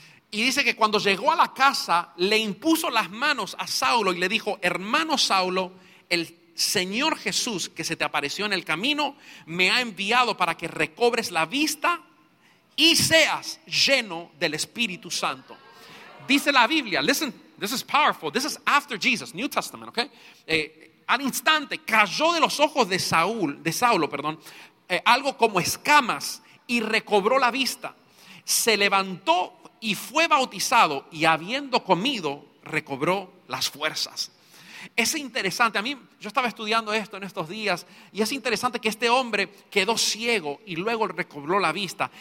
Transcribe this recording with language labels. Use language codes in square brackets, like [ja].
[es] Y dice que cuando llegó a la casa, le impuso las manos a Saulo y le dijo, hermano Saulo, el Señor Jesús que se te apareció en el camino, me ha enviado para que recobres la vista y seas lleno del Espíritu Santo. Dice la Biblia, [en] listen, this is powerful, this is after Jesus, New Testament, okay? [es] Al instante cayó de los ojos de Saulo, algo como escamas y recobró la vista. se levantó y fue bautizado, y habiendo comido, recobró las fuerzas. Es interesante, a mí, yo estaba estudiando esto en estos días, y es interesante que este hombre quedó ciego y luego recobró la vista.